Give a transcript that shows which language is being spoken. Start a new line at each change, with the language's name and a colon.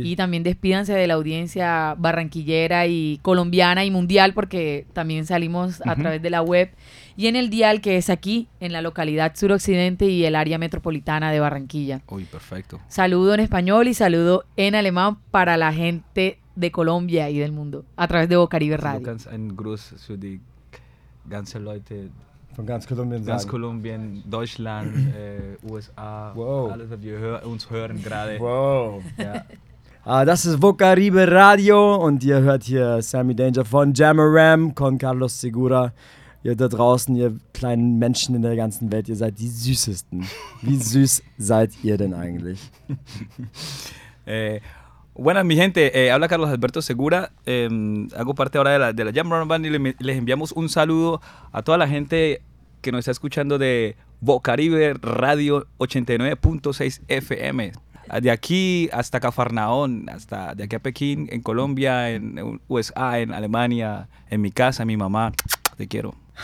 Spanish: Y también despídanse de la audiencia barranquillera y colombiana y mundial, porque también salimos a través de la web y en el dial, que es aquí en la localidad suroccidente y el área metropolitana de Barranquilla. Uy, perfecto. Saludo en español y saludo en alemán para la gente de Colombia y del mundo a través de Bocaribe Radio.
German: En Gruß zu die ganze Leute von ganz Kolumbien, ganz Kolumbien, Deutschland, USA, wow. Alles, was wir uns hören gerade. Wow. Yeah. Das ist Bocaribe Radio und ihr hört hier Sammy Danger von Jammeram con Carlos Segura. Ihr da draußen, ihr kleinen Menschen in der ganzen Welt, ihr seid die Süßesten. Wie süß seid ihr denn eigentlich?
Spanish: Buenas, mi gente. Habla Carlos Alberto Segura. Hago parte ahora de la Jam Run Band y les enviamos un saludo a toda la gente que nos está escuchando de Bocaribe Radio 89.6 FM. De aquí hasta Cafarnaón, hasta de aquí a Pekín, en Colombia, en USA, en Alemania, en mi casa, mi mamá. Te quiero.